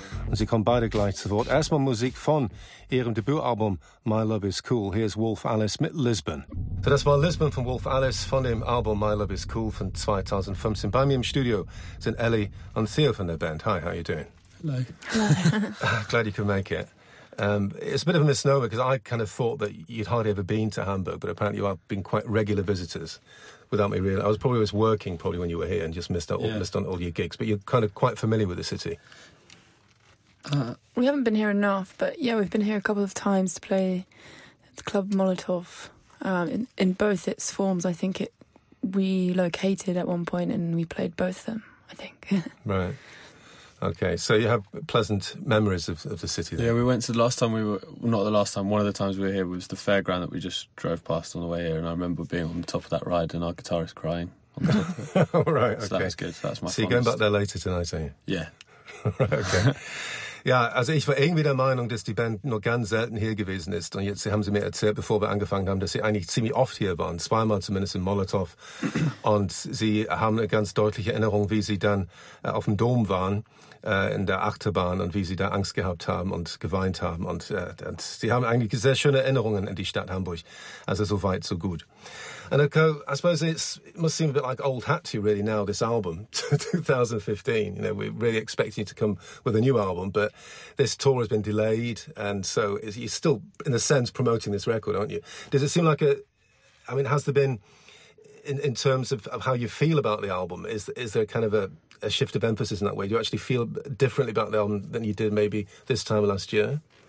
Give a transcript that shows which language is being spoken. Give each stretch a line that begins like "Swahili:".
German: Und sie kommen beide gleich zu Wort. Erstmal Musik von ihrem Debütalbum My Love Is Cool. Hier ist Wolf Alice mit Lisbon. So, das war Lisbon von Wolf Alice von dem Album My Love Is Cool von 2015. Bei mir im Studio sind Ellie und Theo von der Band.
English: Hi, how are you doing? Hello. Glad you could make it. It's a bit of a misnomer because I kind of thought that you'd hardly ever been to Hamburg, but apparently you have been quite regular visitors without me realizing. I was probably always working probably when you were here and just missed on all your gigs, but you're kind of quite familiar with the city. We haven't been here enough, but yeah, we've been here a couple of times to play at the Club Molotov in both its forms. I think it relocated at one point and we played both of them, I think. Right. Okay, so you have pleasant memories of the city then? Yeah, we went to the last time we were, well, not the last time, one of the times we were here was the fairground that we just drove past on the way here, and I remember being on the top of that ride and our guitarist crying on the top of it. Right, okay. So that was good, so that's my fondest. You're going back there later tonight, are you? Yeah. Okay.
German: Ja, also ich war irgendwie der Meinung, dass die Band nur ganz selten hier gewesen ist. Und jetzt haben sie mir erzählt, bevor wir angefangen haben, dass sie eigentlich ziemlich oft hier waren. Zweimal zumindest in Molotow. Und sie haben eine ganz deutliche Erinnerung, wie sie dann auf dem Dom waren, in der Achterbahn, und wie sie da Angst gehabt haben und geweint haben. Und sie haben eigentlich sehr schöne Erinnerungen an die Stadt Hamburg. Also so weit, so gut.
English: And I suppose it must seem a bit like old hat to you really now, this album, 2015. You know, we're really expecting you to come with a new album, but this tour has been delayed, and so you're still, in a sense, promoting this record, aren't you? Does it seem like a... I mean, has there been, in terms of how you feel about the album, is there kind of a shift of emphasis in that way? Do you actually feel differently about the album than you did maybe this time last year?